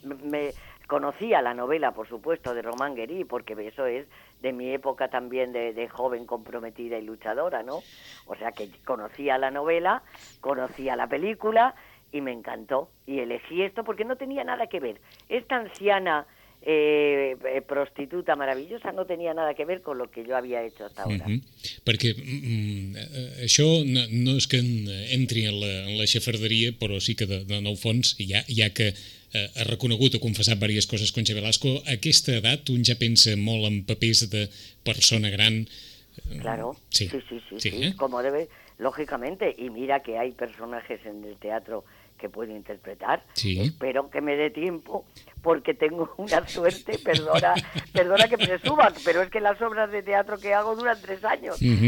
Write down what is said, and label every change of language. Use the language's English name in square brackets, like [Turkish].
[Spanish] Me conocía la novela, por supuesto, de Román Guerí, porque eso es de mi época también de joven comprometida y luchadora, ¿no? O sea que conocía la novela, conocía la película... Y me encantó, y elegí esto porque no tenía nada que ver. Esta anciana prostituta maravillosa no tenía nada que ver con lo que yo había hecho hasta ahora. [Catalan] Perquè això no és que entri en la xafarderia, però sí que de nou fons, ja que ha reconegut o confessat diverses coses Concha Velasco, a aquesta edat un ja pensa molt en papers de persona gran. [Spanish] Claro, sí. Como debe, lógicamente, y mira que hay personajes en el teatro que puedo interpretar, espero que me dé tiempo, porque tengo una suerte, perdona que presuma, pero es que las obras de teatro que hago duran 3 años.